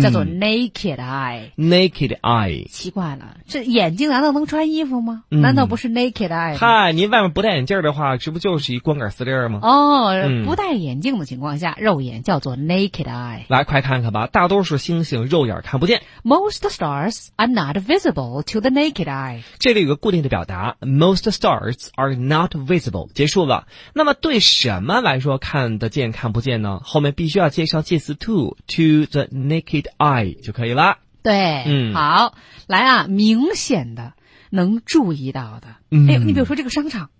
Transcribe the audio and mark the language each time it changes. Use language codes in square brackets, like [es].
[zh] 叫做 naked eye， [en] naked eye， [zh] 奇怪了，这眼睛难道能穿衣服吗、嗯、难道不是 naked eye？嗨，您外面不戴眼镜的话，这不就是一光杆司令吗？哦、嗯、不戴眼镜的情况下肉眼叫做 naked eye。来快看看吧，大多数星星肉眼看不见， [en] most stars are not visible to the naked eye， [zh] 这里有个固定的表达， most stars are not visible，结束了。那么对什么来说看得见看不见呢？后面必须要介绍介词 to the naked eye 就可以了。对、嗯、好，来啊，明显的能注意到的、嗯、哎呦，你比如说这个商场